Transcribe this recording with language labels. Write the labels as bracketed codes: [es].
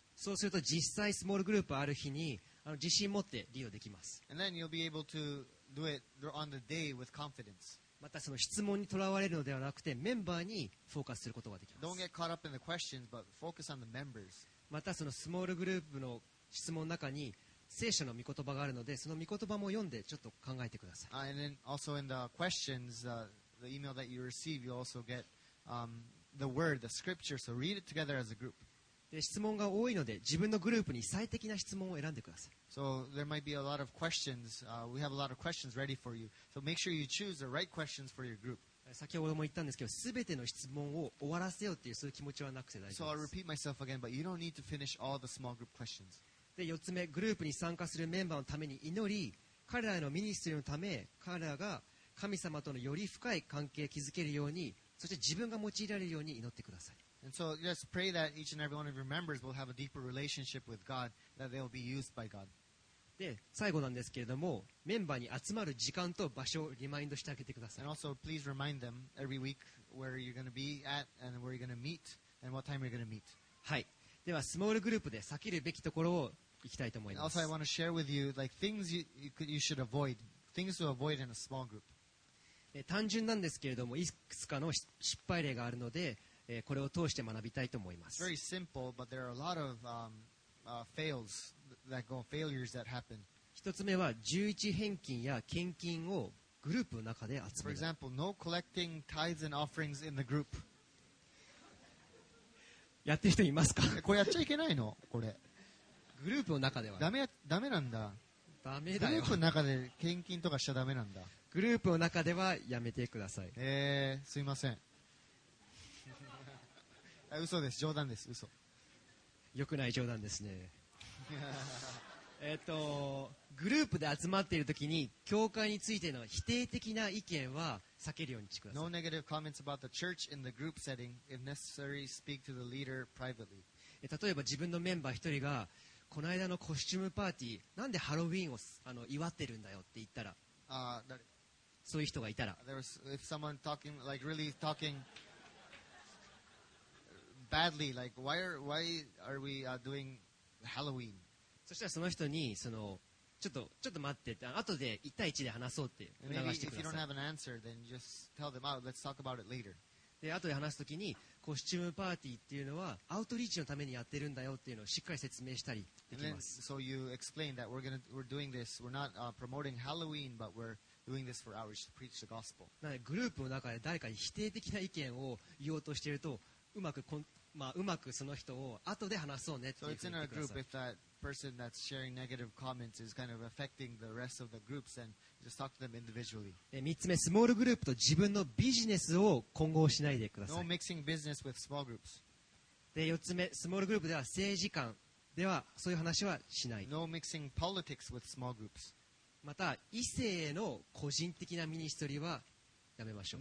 [ja] そうすると実際スモールグループある日に自信持って利用できます。 [en] And then you'll be able to do it on the day with confidence. [ja] またその質問にとらわれるのではなくてメンバーにフォーカスすることができます。 [en] Don't get caught up in the questions, but focus on the members. [ja] またそのスモールグループの質問の中に聖書の御言葉があるのでその御言葉も読んでちょっと考えてください。 [en] And then also in the questions, the email that you receive, you also get the word, the scripture, so read it together as a group. [ja] で、質問が多いので自分のグループに最適な質問を選んでください。 [en] So there might be a lot of questions, we have a lot of questions ready for you, so make sure you choose the right questions for your group. [ja] 先ほども言ったんですけど全ての質問を終わらせようっていうそういう気持ちはなくて大丈夫です。 [en] So I'll repeat myself again, but you don't need to finish all the small group questions. [ja] で4つ目、グループに参加するメンバーのために祈り、彼らへのミニストリーのため、彼らが神様とのより深い関係を築けるように、そして自分が用いられるように祈ってください。 [en] And so, let's pray that each and every one of your members will have a deeper relationship with God, that they'll be used by God. [ja] で、最後なんですけれども、メンバーに集まる時間と場所をリマインドしてあげてください。 [en] And also, please remind them every week where you're going to be at and where you're going to meet and what time you're going to meet. [ja] はい。ではスモールグループで避けるべきところを行きたいと思います。 [en] Also, I want to share with you like things you should avoid, things to avoid in a small group. [ja] 単純なんですけれども、いくつかの失敗例があるので、これを通して学びたいと思います。 [en] Very simple, but there are a lot of fails that go failures that happen. [ja] 一つ目は11返金や献金をグループの中で集める。 [en] For example, no collecting tithes and offerings in the group. [ja] やってる人いますか？これやっちゃいけないの？これグループの中では、ね、ダメなんだ。ダメだよ。グループの中で献金とかしちゃダメなんだ。グループの中ではやめてください。すいません。嘘です。冗談です。嘘。よくない冗談ですね。グループで集まっているときに教会についての否定的な意見は避けるようにしてください。 [en] No negative comments about the church in the group setting. If necessary, speak to the leader privately. [ja] 例えば自分のメンバー一人がこの間のコスチュームパーティーなんでハロウィーンを祝ってるんだよって言ったら、そういう人がいたら、 [en] If someone talking, like really talking badly, like why are we doing Halloween? [ja] そしたらその人にちょっと待って、後で1対1で話そうって促してください。 [en] If you don't have an answer, then just tell them out. Let's talk about it later. [ja] で後で話すときにコスチュームパーティーっていうのはアウトリーチのためにやってるんだよっていうのをしっかり説明したりできます。 [en] And then, so you explain that we're doing this. We're not promoting Halloween, but we're doing this for outreach to preach the gospel. [ja] なのでグループの中で誰かに否定的な意見を言おうとしているとうまくその人を後で話そうねっていうふうに言ってください。 [en] So it's in a group if that person that's sharing negative comments is kind of affecting the rest of the groups and just talk to them individually. [ja] 3つ目、スモールグループと自分のビジネスを混合しないでください。 [en] No mixing business with small groups. [ja] で、4つ目、スモールグループでは政治観ではそういう話はしない。 [en] No mixing politics with small groups. [ja] また、異性への個人的なミニストリーはやめましょう。